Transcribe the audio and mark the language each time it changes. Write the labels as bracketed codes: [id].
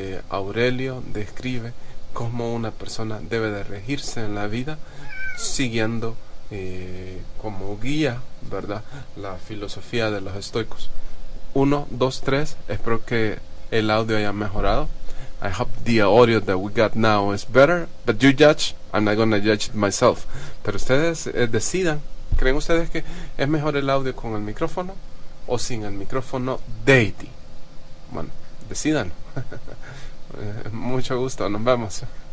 [es] Aurelio describe cómo una persona debe de regirse en la vida siguiendo como guía, ¿verdad? La filosofía de los estoicos. Uno, dos, tres. Espero que el audio haya mejorado. [en] I hope the audio that we got now is better, but you judge. I'm not gonna judge it myself. [es] Pero ustedes decidan. ¿Creen ustedes que es mejor el audio con el micrófono o sin el micrófono Deity? Bueno, decidan. Mucho gusto, nos vemos.